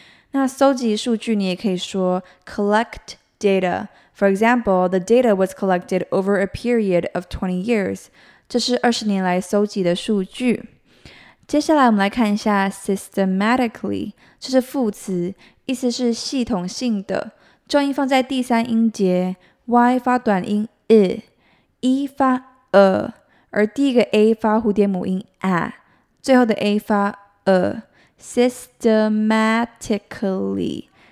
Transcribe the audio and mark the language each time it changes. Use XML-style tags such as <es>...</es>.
<zh>你这里有一些数据不太可靠，数字看起来不太对劲。那搜集数据，你也可以说 collect data.</zh> <en>For example, the data was collected over a period of 20 years.</en> <zh>这是20年来搜集的数据。接下来我们来看一下 systematically， 这是副词，意思是系统性的。重音放在第三音节 ，y 发短音 e发 ，而第一个 a 发蝴蝶母音 a，最后的 a 发 e。systematically。</zh>